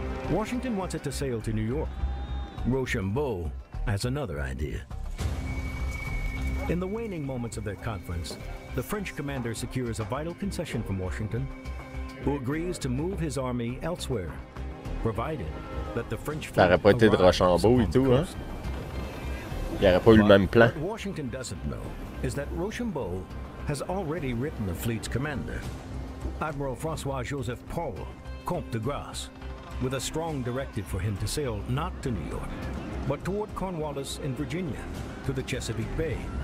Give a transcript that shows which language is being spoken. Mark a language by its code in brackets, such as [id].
[en] Washington wants it to sail to New York. Rochambeau has another idea. In the waning moments of their conference, the French commander secures a vital concession from Washington, who agrees to move his army elsewhere, provided that the French fleet [fr] arrives. Ça aurait pas été de Rochambeau et tout, hein? Il aurait pas eu le même plan. [en] What Washington doesn't know is that Rochambeau has already written the fleet's commander, Admiral François-Joseph Paul, Comte de Grasse, with a strong directive for him to sail not to New York, but toward Cornwallis in Virginia, to the Chesapeake Bay.